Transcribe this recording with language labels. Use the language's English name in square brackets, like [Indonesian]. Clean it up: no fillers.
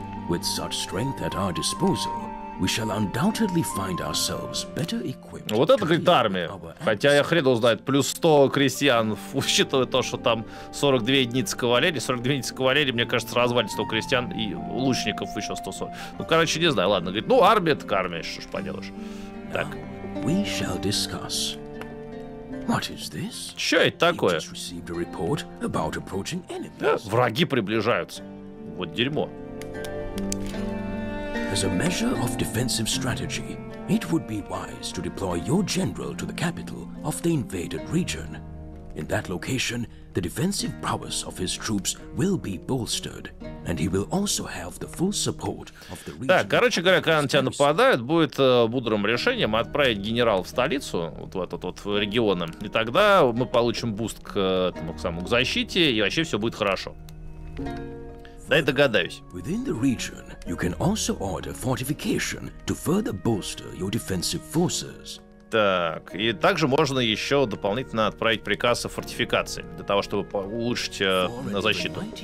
[English] With such strength at our disposal, we shall undoubtedly find ourselves better equipped. [Russian] Вот это, говорит, армия. Хотя я хрен узнает, плюс 100 крестьян, учитывая то, что там 42 единицы кавалерии. 42 единицы кавалерии, мне кажется, развалит 100 крестьян и лучников еще 140. Ну, короче, не знаю, ладно, говорит, ну, армия так армия, что ж поделаешь. Так. [English] We shall discuss. What is this? [Russian] Что это такое? [English] Just received a report about approaching enemies. [Russian] Враги приближаются. Вот дерьмо. [English] As a measure of defensive strategy, it would be wise to deploy your general to the capital of the invaded region. In that location, the defensive prowess of his troops will be bolstered, and he will also have the full support of the region. [Russian] Так, короче говоря, когда на тебя нападают, будет мудрым решением отправить генерала в столицу, вот в этот вот регион, и тогда мы получим буст к этому, к защите, и вообще все будет хорошо. Дай догадаюсь. [English] Within the region, you can also order fortification to further bolster your defensive forces. [Russian] Так, и также можно еще дополнительно отправить приказ о фортификации для того, чтобы улучшить на защиту.